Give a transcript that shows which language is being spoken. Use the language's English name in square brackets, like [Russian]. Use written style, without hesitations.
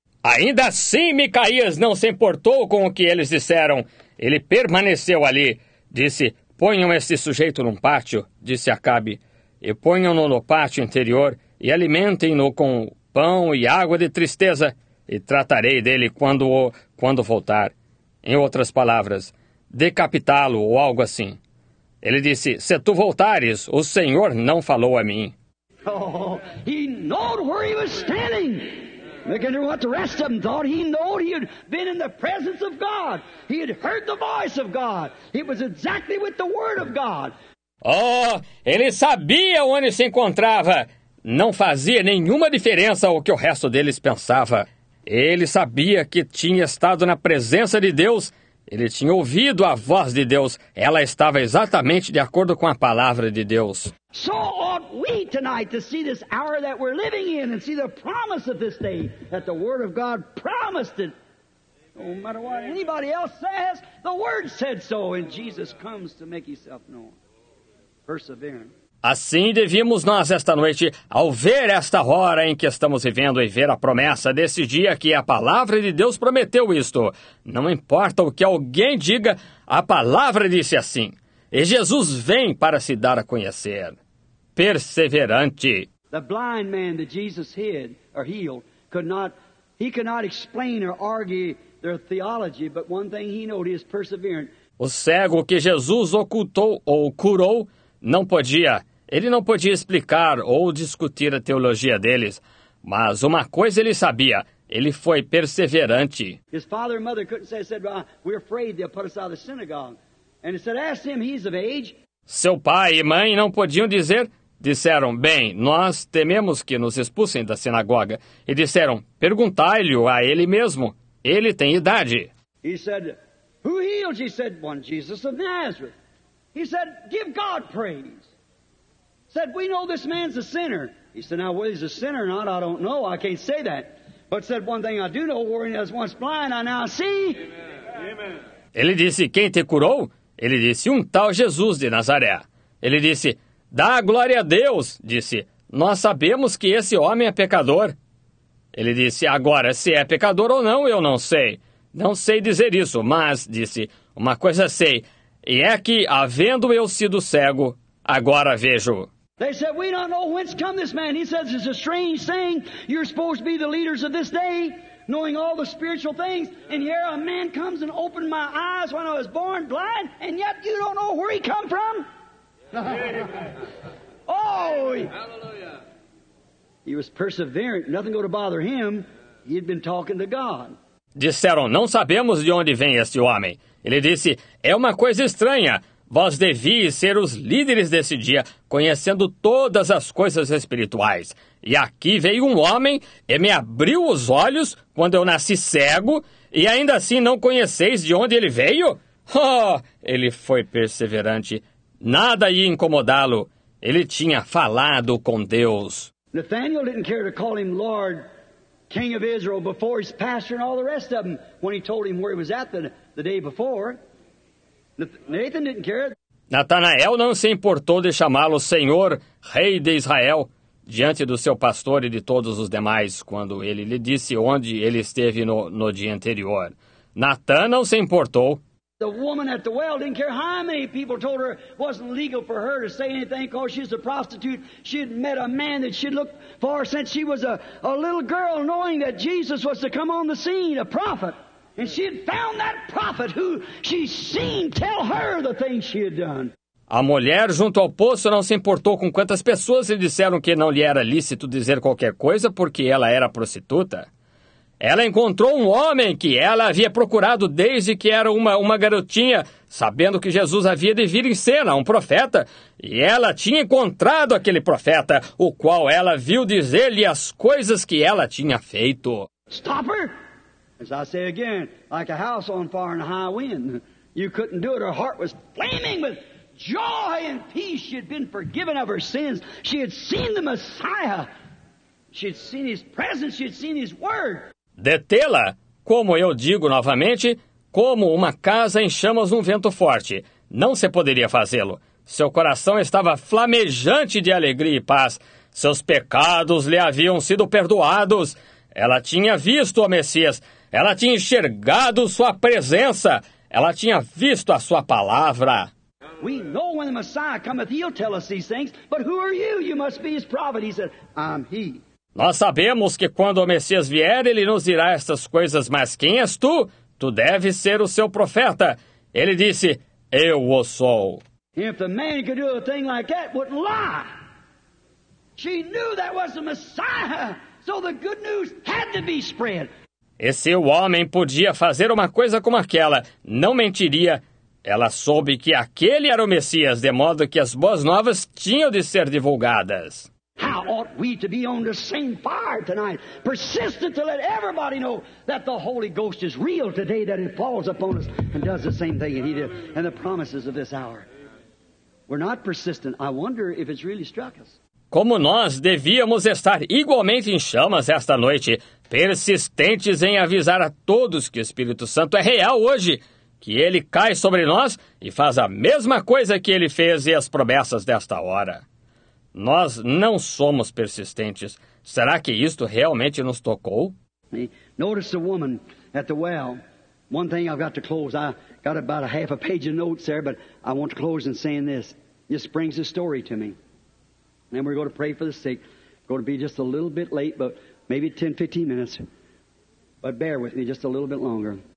[Portuguese] Ainda assim, Micaías não se importou com o que eles disseram. Ele permaneceu ali. Disse, ponham esse sujeito num pátio, disse Acabe, e ponham-no no pátio interior e alimentem-no com pão e água de tristeza. E tratarei dele quando voltar. Em outras palavras, decapitá-lo ou algo assim. Ele disse, se tu voltares, o Senhor não falou a mim. [English] Oh, he knowed where he was standing. I wonder what the rest of them thought. He knowed he had been in the presence of God. He had heard the voice of God. It was exactly with the word of God. [Portuguese] Oh, ele sabia onde se encontrava. Não fazia nenhuma diferença o que o resto deles pensava. Ele sabia que tinha estado na presença de Deus. Ele tinha ouvido a voz de Deus. Ela estava exatamente de acordo com a palavra de Deus. [English] So ought we tonight to see this hour that we're living in and see the promise of this day that the Word of God promised it. No matter what anybody else says, the Word said so, and Jesus comes to make Himself known. Persevering. [Portuguese] Assim devíamos nós esta noite, ao ver esta hora em que estamos vivendo e ver a promessa desse dia que a palavra de Deus prometeu isto. Não importa o que alguém diga, a palavra disse assim. E Jesus vem para se dar a conhecer. Perseverante. [English] The blind man that Jesus hid or healed could not explain or argue their theology, but one thing he knew, he is perseverant. [Portuguese] O cego que Jesus ocultou ou curou não podia. Ele não podia explicar ou discutir a teologia deles. Mas uma coisa ele sabia. Ele foi perseverante. [English] His father and mother couldn't say, said, well, we're afraid they'll put us out of the synagogue. And he said, ask him, he's of age. [Portuguese] Seu pai e mãe não podiam dizer. Disseram, bem, nós tememos que nos expulsem da sinagoga. E disseram, perguntai-lhe a ele mesmo. Ele tem idade. [English] He said, who healed? He said, one Jesus of Nazareth. He said, give God praise. He said, we know this man's a sinner. He said, now whether he's a sinner or not, I don't know. I can't say that. But said, one thing I do know, where he was once blind, I now see. Amen. Amen. [Portuguese] Ele disse, quem te curou? Ele disse, um tal Jesus de Nazaré. Ele disse, dá a glória a Deus. Disse, nós sabemos que esse homem é pecador. Ele disse, agora, se é pecador ou não, eu não sei. Não sei dizer isso, mas, disse, uma coisa sei. E é que, havendo eu sido cego, agora vejo. [English] They said, we don't know whence come this man. He says, it's a strange thing. You're supposed to be the leaders of this day, knowing all the spiritual things. And here a man comes and opened my eyes when I was born blind, and yet you don't know where he come from? Oh! Hallelujah. He was perseverant. Nothing going to bother him. He'd been talking to God. [Portuguese] Disseram, não sabemos de onde vem este homem. Ele disse, é uma coisa estranha. Vós devíeis ser os líderes desse dia, conhecendo todas as coisas espirituais. E aqui veio um homem e me abriu os olhos quando eu nasci cego, e ainda assim não conheceis de onde ele veio? Oh, ele foi perseverante. Nada ia incomodá-lo. Ele tinha falado com Deus. [English] Nathanael didn't care to call him Lord, King of Israel, before his pastor and all the rest of them, when he told him where he was at the day before. Nathan didn't care. [Portuguese] Natanael não se importou de chamá-lo Senhor, Rei de Israel, diante do seu pastor e de todos os demais, quando ele lhe disse onde ele esteve no dia anterior. Natan não se importou. [English] The woman at the well didn't care how many people told her it wasn't legal for her to say anything because she's a prostitute. She'd met a man that she'd looked for since she was a little girl, knowing that Jesus was to come on the scene, a prophet. And she had found that prophet who she seen tell her the things she had done. [Portuguese] A mulher junto ao poço não se importou com quantas pessoas lhe disseram que não lhe era lícito dizer qualquer coisa porque ela era prostituta. Ela encontrou um homem que ela havia procurado desde que era uma garotinha, sabendo que Jesus havia de vir em cena, um profeta. E ela tinha encontrado aquele profeta, o qual ela viu dizer-lhe as coisas que ela tinha feito. [English] Stop her! As I say again, like a house on fire in a high wind. You couldn't do it. Her heart was flaming with joy and peace. She had been forgiven of her sins. She had seen the Messiah. She had seen His presence. She had seen His Word. [Portuguese] Detê-la, como eu digo novamente, como uma casa em chamas num vento forte. Não se poderia fazê-lo. Seu coração estava flamejante de alegria e paz. Seus pecados lhe haviam sido perdoados. Ela tinha visto o Messias. Ela tinha enxergado sua presença. Ela tinha visto a sua palavra. [English] We know when the Messiah cometh, he'll tell us these things. But who are you? You must be his prophet. He said, I'm he. [Portuguese] Nós sabemos que quando o Messias vier, ele nos dirá estas coisas, mas quem és tu? Tu deves ser o seu profeta. Ele disse, eu o sou. [English] If the man could do a thing like that, wouldn't lie. She knew that was the Messiah, so the good news had to be spread. [Portuguese] E se o homem podia fazer uma coisa como aquela, não mentiria. Ela soube que aquele era o Messias, de modo que as boas novas tinham de ser divulgadas. [English] How ought we to be on the same fire tonight, persistent to let everybody know that the Holy Ghost is real today, that it falls upon us and does the same thing that He did, and the promises of this hour. We're not persistent. I wonder if it's really struck us. [Portuguese] Como nós devíamos estar igualmente em chamas esta noite, persistentes em avisar a todos que o Espírito Santo é real hoje, que Ele cai sobre nós e faz a mesma coisa que Ele fez e as promessas desta hora. Nós não somos persistentes. Será que isto realmente nos tocou? [English] Notice the woman at the well. One thing I've got to close. I got about a half a page of notes there, but I want to close in saying this. This brings a story to me. And we're going to pray for the sick. We're going to be just a little bit late, but maybe 10, 15 minutes. But bear with me just a little bit longer.